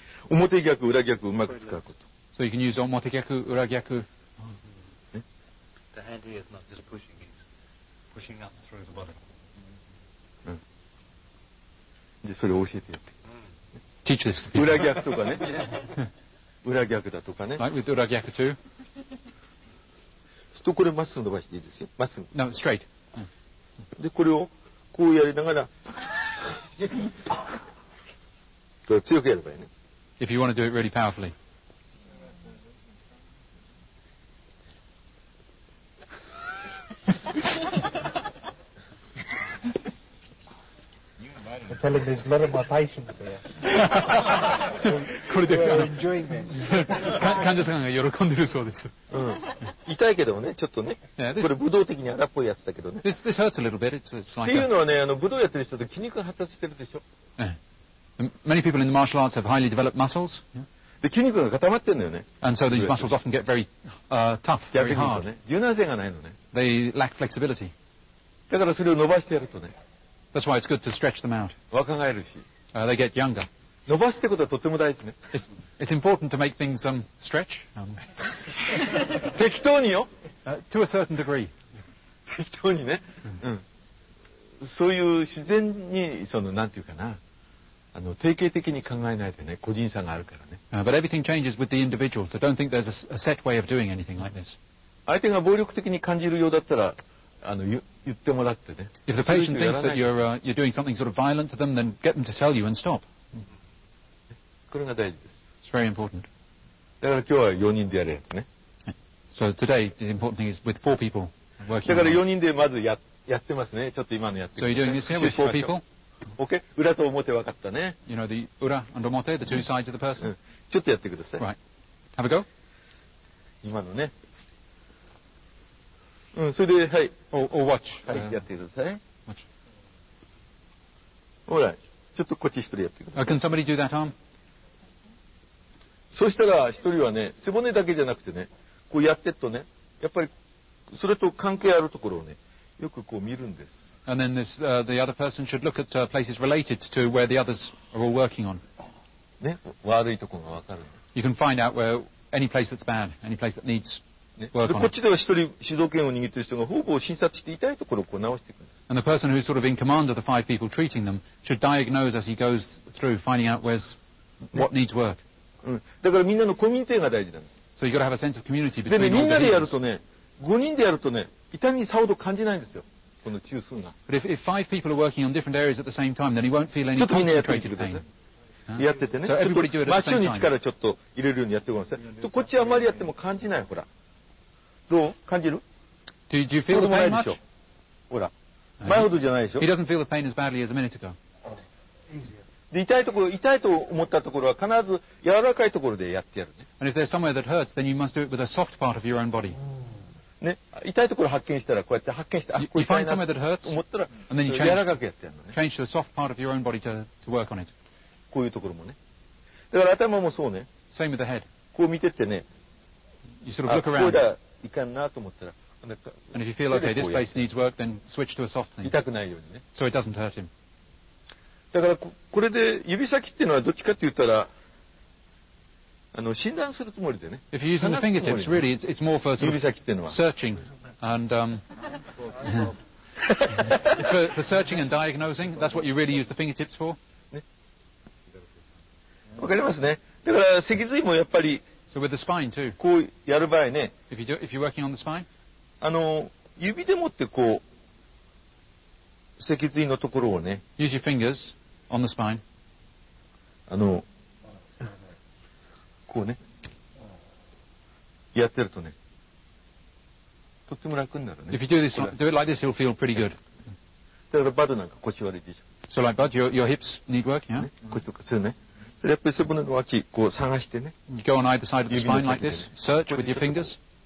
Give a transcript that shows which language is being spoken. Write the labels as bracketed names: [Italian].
[Japanese] 表逆、裏逆をうまく使うこと。 [English] So you can use 表逆、裏逆。 The hand here is not just pushing, it's pushing up through the body. [Japanese] じゃあそれを教えてやって。 [English] Teach this to people. [Japanese] 裏逆とかね。裏逆だとかね。 [English] Right, with 裏逆 too. [Japanese] するとこれまっすぐ伸ばしていいですよ。まっすぐ。 [English] No, straight. [Japanese] で、これをこうやりながら。これ強くやればいいね。 [English] If you want to do it really powerfully. I'm telling there's a lot of my patients here. [Japanese] これで [English] enjoying this. [Japanese] 患者さんが喜んでるそうです。うん。痛いけどね、ちょっとね。 [English] Yeah, [Japanese] これ武道的に荒っぽいやつだけどね。 [English] This hurts a little bit. It's like. [Japanese] っていうのはね、武道やってる人って筋肉発達してるでしょ。 [English] Many people in the martial arts have highly developed muscles. [Japanese] で筋肉が固まってるんだよね。 [English] And so these muscles often get very tough, very hard. [Japanese] 柔軟性がないのね。 [English] They lack flexibility. [Japanese] だからそれを伸ばしてやるとね。 [English] That's why it's good to stretch them out. [Japanese] 若返るし。 [English] They get younger. [Japanese] 伸ばすってことはとても大事ね。 [English] It's important to make things stretch. [Japanese] 適当によ。 [English] To a certain degree. [Japanese] 適当にね。そういう自然にそのなんていうかな。定型的に考えないでね、個人差があるからね。 [English] But everything changes with the individual, so don't think there's a set way of doing anything like this. [Japanese] 相手が暴力的に感じるようだったら、言ってもらってね。 [English] If the patient thinks that you're doing something sort of violent to them, then get them to tell you and stop. [Japanese] これが大事です。 [English] It's very important. [Japanese] だから今日は4人でやるやつね。 [English] So today, the important thing is with 4 people working. [Japanese] だから4人でまず やってますね、ちょっと今のやつ。 [English] So you're doing this here with 4 people? [Japanese] Okay. 裏と表分かったね。 [English] You know, the 裏 and 表, the two sides of the person. [Japanese] ちょっとやってください。 [English] Right. Have a go. [Japanese] 今のね。それで、はい。 [English] Or watch. [Japanese] はい、やってください。 [English] Watch. [Japanese] ほら、ちょっとこっち一人やってください。 [English] Can somebody do that arm? [Japanese] そしたら一人はね、背骨だけじゃなくてね、こうやってっとね、やっぱりそれと関係あるところをね、よくこう見るんです。 [English] And then this, the other person should look at places related to where the others are all working on. [Japanese] ね、悪いところが分かる。 [English] You can find out where any place that's bad, any place that needs work [Japanese] on. こっちでは一人主導権を握っている人がほぼ診察して痛いところをこう直していく。 [English] And the person who's sort of in command of the five people treating them should diagnose as he goes through finding out where's what needs work. [Japanese] だからみんなのコミュニティが大事なんです。 [English] So you've got to have a sense of community between all the people. [Japanese] でね、みんなでやるとね、5人でやるとね、痛みさほど感じないんですよ。 [English] But if five people are working on different areas at the same time, then he won't feel any concentrated pain. [Japanese] やっててね。 [English] So everybody do it at the same time. [Japanese] 真っ白に力ちょっと入れるようにやってください。とこっちあまりやっても感じない、ほら。どう？感じる？ [English] Do you feel the pain much? [Japanese] ほら。前ほどじゃないでしょ。 [English] He doesn't feel the pain as badly as a minute ago. [Japanese] で、痛いと思ったところは必ず柔らかいところでやってやる。 [English] And if there's somewhere that hurts, then you must do it with a soft part of your own body. [Japanese] ね、痛いところ発見したらこうやって発見して、あ、これ痛いなと思ったら柔らかくやってやるのね。 [English] Change the soft part of your own body to work on it. [Japanese] こういうところもね。だから頭もそうね。 [English] Same with the head. [Japanese] こう見ててね。 [English] You sort of look around. [Japanese] あ、これだ、いかんなと思ったら。 [English] And if you feel okay, this place needs work, then switch to a soft thing. [Japanese] 痛くないようにね。 [English] So it doesn't hurt him. [Japanese] だから これで指先っていうのはどっちかって言ったら、診断するつもりでね。 [English] If you're using the fingertips, really, it's more for searching and for searching and diagnosing. That's what you really use the fingertips for. [Japanese] わかりますね。だから脊髄もやっぱり。 [English] So with the spine too. [Japanese] こうやる場合ね。 [English] If you're working on the spine. [Japanese] 指でもってこう脊髄のところをね。 [English] Use your fingers on the spine. [Japanese] こうね、やってるとね、とっても楽になるね。 [English] If you do it like this, you'll feel pretty good. [Japanese] だからバッドなんか腰悪いでしょ。 [English] So like Bud, your hips need work, yeah? [Japanese] 腰とかするね。それやっぱり背骨の脇、こう探してね。 [English] You go on either side of the spine like this, search with your fingers.